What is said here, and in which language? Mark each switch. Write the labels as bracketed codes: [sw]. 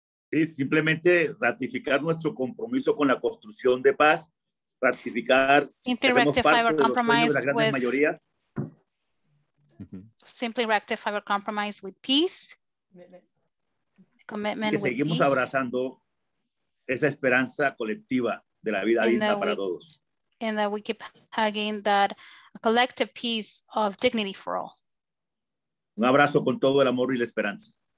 [es] Sí, simplemente ratificar nuestro compromiso con la construcción de paz, ratificar [en] simply rectify our compromise with peace, commitment [es] que seguimos [en] peace, [es] abrazando esa esperanza colectiva de la vida digna para todos. [en] And that we keep hugging that collective peace of dignity for all. [es] Un abrazo con todo el amor y la esperanza.